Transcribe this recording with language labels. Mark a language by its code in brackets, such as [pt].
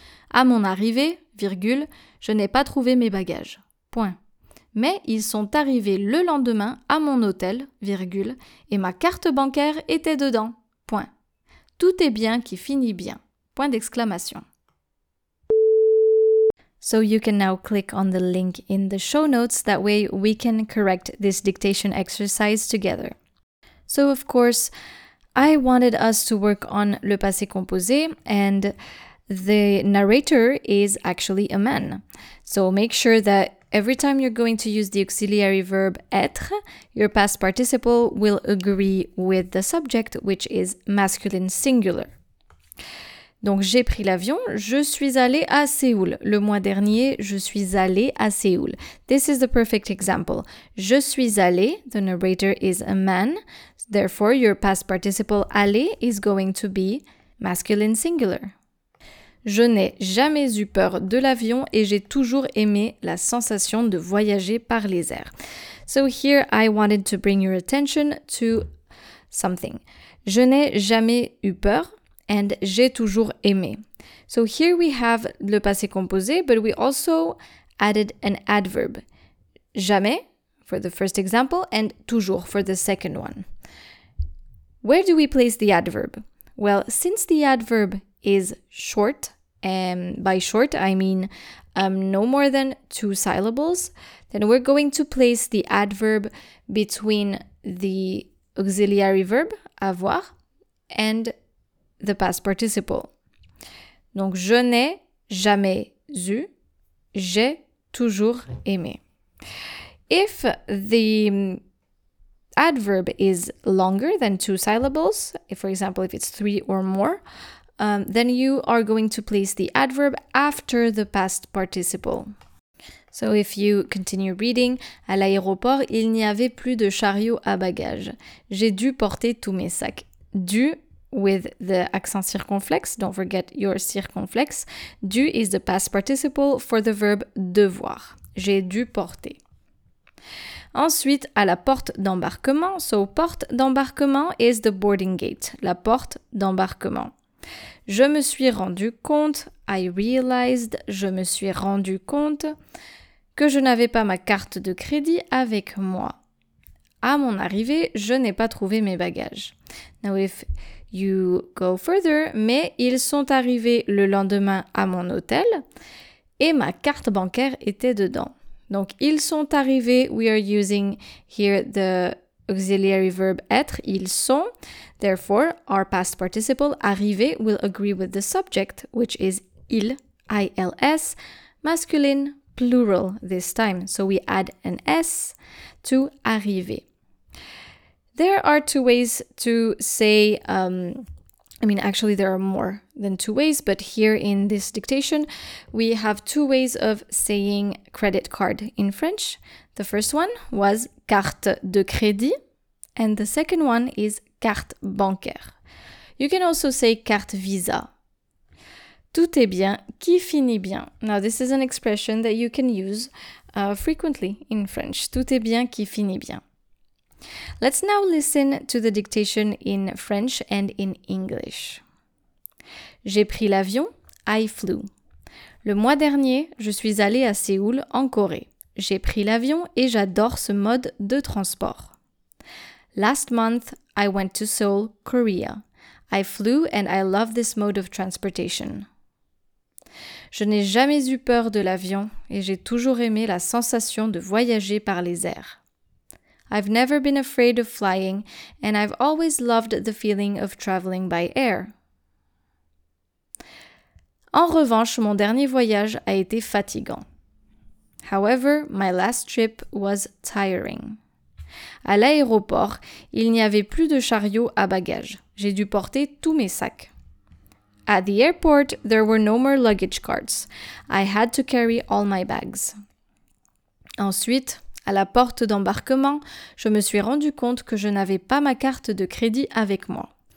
[fr] À mon arrivée, virgule, je n'ai pas trouvé mes bagages, point. Mais ils sont arrivés le lendemain à mon hôtel, virgule, et ma carte bancaire était dedans, point. Tout est bien qui finit bien, point d'exclamation. [en] So you can now click on the link in the show notes, that way we can correct this dictation exercise together. So of course, I wanted us to work on [fr] le passé composé, [en] and the narrator is actually a man. So make sure that every time you're going to use the auxiliary verb être, your past participle will agree with the subject, which is masculine singular. [fr] Donc j'ai pris l'avion, je suis allée à Séoul. Le mois dernier, je suis allée à Séoul. [en] This is the perfect example. [fr] Je suis allée, [en] the narrator is a man. Therefore, your past participle aller is going to be masculine singular. [fr] Je n'ai jamais eu peur de l'avion et j'ai toujours aimé la sensation de voyager par les airs. [en] So here I wanted to bring your attention to something. [fr] Je n'ai jamais eu peur. And j'ai toujours aimé. [en] So here we have [fr] le passé composé, [en] but we also added an adverb. Jamais, for the first example and toujours for the second one. Where do we place the adverb? Well, since the adverb is short, and by short I mean no more than two syllables, then we're going to place the adverb between the auxiliary verb, avoir, and the past participle. [fr] Donc, je n'ai jamais eu, j'ai toujours aimé. [en] If the adverb is longer than two syllables, if, for example, if it's three or more, then you are going to place the adverb after the past participle. So if you continue reading, [fr] à l'aéroport, il n'y avait plus de chariot à bagages. J'ai dû porter tous mes sacs. [en] Dû with the accent circonflexe, don't forget your circonflexe. Dû is the past participle for the verb devoir. [fr] J'ai dû porter. Ensuite, à la porte d'embarquement. [en] So [fr] porte d'embarquement [en] is the boarding gate, [fr] la porte d'embarquement. Je me suis rendu compte, [en] I realized, [fr] je me suis rendu compte que je n'avais pas ma carte de crédit avec moi. À mon arrivée, je n'ai pas trouvé mes bagages. [en] Now if you go further, [fr] mais ils sont arrivés le lendemain à mon hôtel et ma carte bancaire était dedans. Donc ils sont arrivés, [en] we are using here the auxiliary verb être, [fr] ils sont. [en] Therefore, our past participle, arriver, will agree with the subject, which is il, I-L-S, masculine, plural this time. So we add an S to arriver. There are two ways to say, there are more than two ways, but here in this dictation, we have two ways of saying credit card in French. The first one was carte de crédit. And the second one is carte bancaire. You can also say carte Visa. [fr] Tout est bien, qui finit bien? [en] Now, this is an expression that you can use frequently in French. [fr] Tout est bien, qui finit bien? [en] Let's now listen to the dictation in French and in English. [fr] J'ai pris l'avion, [en] I flew. [fr] Le mois dernier, je suis allée à Séoul, en Corée. J'ai pris l'avion et j'adore ce mode de transport. [en] Last month, I went to Seoul, Korea. I flew and I love this mode of transportation. [fr] Je n'ai jamais eu peur de l'avion et j'ai toujours aimé la sensation de voyager par les airs. [en] I've never been afraid of flying and I've always loved the feeling of traveling by air. [fr] En revanche, mon dernier voyage a été fatigant. [en] However, my last trip was tiring. [fr] À l'aéroport, il n'y avait plus de chariot à bagages. J'ai dû porter tous mes sacs. [en] At the airport, there were no more luggage carts. I had to carry all my bags. [fr] Ensuite, à la porte d'embarquement, je me suis rendu compte que je n'avais pas ma carte de crédit avec moi.